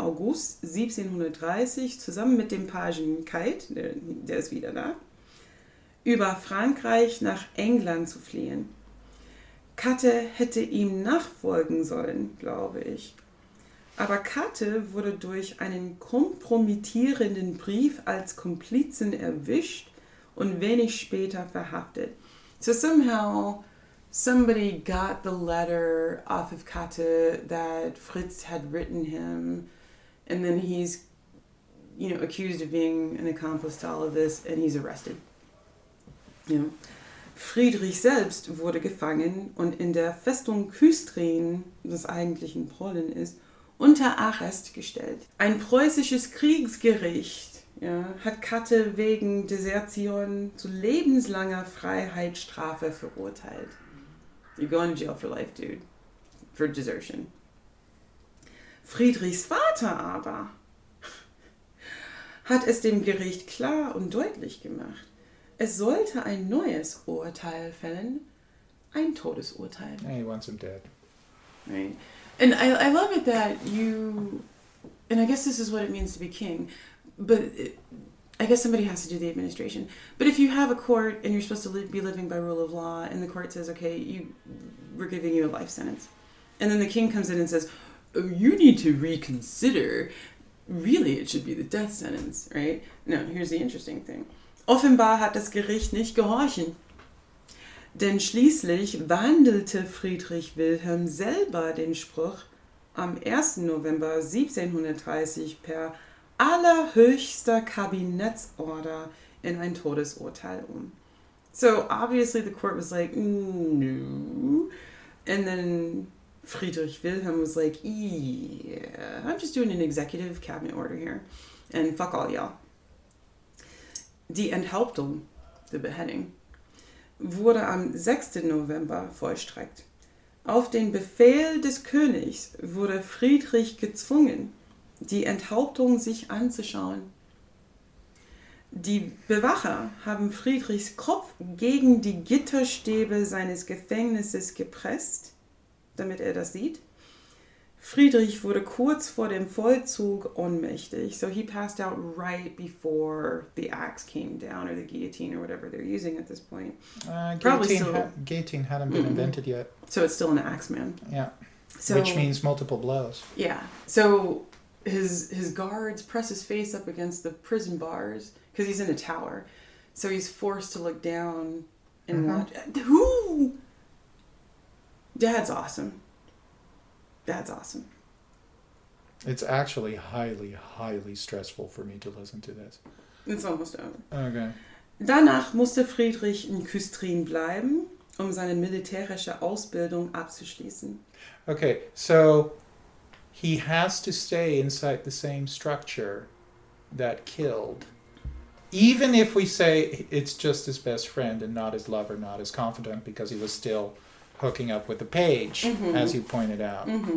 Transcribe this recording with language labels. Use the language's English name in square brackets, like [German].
[German] August 1730 zusammen mit dem Pagen Kite, der ist wieder da, über Frankreich nach England zu fliehen. Katte hätte ihm nachfolgen sollen, glaube ich. Aber Katte wurde durch einen kompromittierenden Brief als Komplizin erwischt und wenig später verhaftet. [English] So somehow, somebody got the letter off of Katte that Fritz had written him, and then he's, you know, accused of being an accomplice to all of this, and he's arrested. You know. [German] Friedrich selbst wurde gefangen und in der Festung Küstrin, das eigentlich in Polen ist, unter Arrest gestellt. Ein preußisches Kriegsgericht, ja, hat Katte wegen Desertion zu lebenslanger Freiheitsstrafe verurteilt. [English] You're going to jail for life, dude. For desertion. [German] Friedrichs Vater aber hat es dem Gericht klar und deutlich gemacht. Es sollte ein neues Urteil fällen. Ein Todesurteil. [English] Yeah, he wants him dead. Right. And I love it that you... And I guess this is what it means to be king... But I guess somebody has to do the administration. But if you have a court and you're supposed to be living by rule of law and the court says, okay, we're giving you a life sentence. And then the king comes in and says, oh, you need to reconsider. Really, it should be the death sentence, right? No, here's the interesting thing. [German] Offenbar hat das Gericht nicht gehorchen. Denn schließlich wandelte Friedrich Wilhelm selber den Spruch am 1. November 1730 per allerhöchster Kabinettsorder in ein Todesurteil um. [English] So, obviously the court was like, no. And then Friedrich Wilhelm was like, yeah, I'm just doing an executive cabinet order here. And fuck all y'all. [German] Die Enthauptung, [English] the beheading. [German] wurde am 6. November vollstreckt. Auf den Befehl des Königs wurde Friedrich gezwungen, die Enthauptung sich anzuschauen. Die Bewacher haben Friedrichs Kopf gegen die Gitterstäbe seines Gefängnisses gepresst, damit er das sieht. Friedrich wurde kurz vor dem Vollzug ohnmächtig. [English] So he passed out right before the axe came down or the guillotine or whatever they're using at this point. Guillotine hadn't been invented yet. So it's still an axe man. Yeah. So, which means multiple blows. Yeah. So his guards press his face up against the prison bars because he's in a tower. So he's forced to look down and watch. Who? Dad's awesome. That's awesome. It's actually highly, highly stressful for me to listen to this. It's almost over. Okay. [German] Danach musste Friedrich in Küstrin bleiben, um seine militärische Ausbildung abzuschließen. [English] Okay, so he has to stay inside the same structure that killed. Even if we say it's just his best friend and not his lover, not his confidant, because he was still hooking up with the page, as you pointed out.